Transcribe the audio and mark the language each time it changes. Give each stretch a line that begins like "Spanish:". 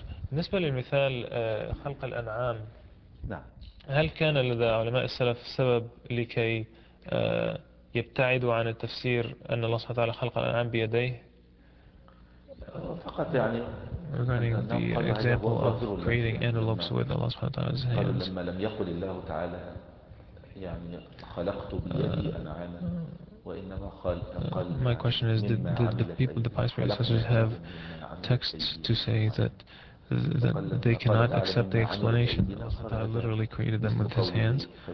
Arabic: بالنسبة للمثال خلق الأنعام. هل كان لدى علماء السلف سبب لكي يبتعدوا عن التفسير أن الله سبحانه وتعالى خلق الأنعام بيديه؟ فقط يعني
English: regarding the example of creating antelopes with Allah subhanahu wa ta'ala's hands.
Arabic: لما لم يقل الله تعالى يعني خلقت بيدي أنعاما وإنما قال
English: my question is did the people, the pious predecessors have texts to say that they cannot accept the explanation that Allah literally created them with his hands?